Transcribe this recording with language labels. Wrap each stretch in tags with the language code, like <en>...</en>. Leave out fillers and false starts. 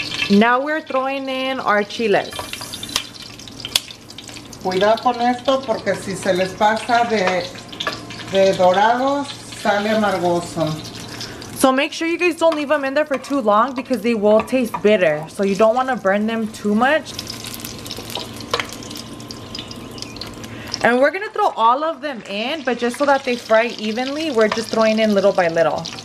<en>Now we're throwing in our chiles.</en> <es>Cuidado con esto porque si se les pasa de dorado, sale amargoso.</es> <en>So make sure you guys don't leave them in there for too long because they will taste bitter. So you don't want to burn them too much. And we're going to throw all of them in, but just so that they fry evenly, we're just throwing in little by little.</en>